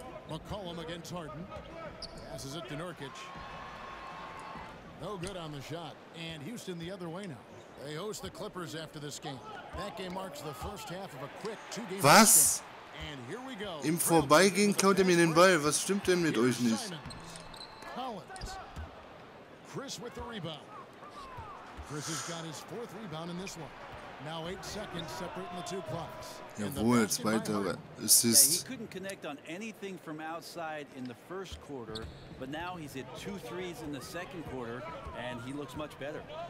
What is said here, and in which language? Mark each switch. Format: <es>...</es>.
<en>McCollum against Harden. Passes it to Nurkic. No good on the shot. And Houston the other way now. They host the Clippers after this game. That game marks the first half of a quick two-game game. Was? And here we go.</en> <de>Im Vorbeigehen klaut er mir den Ball. Was stimmt denn mit euch nicht?</de> <en>Collins. Chris with the rebound. Chris has got his fourth rebound in this one. Now 8 seconds separating the two clocks.</en> <de>Jawohl, zweiter Assist.</de> <en>Yeah, he couldn't connect on anything from outside in the first quarter, but now he's hit 2 threes in the second quarter and he looks much better.</en>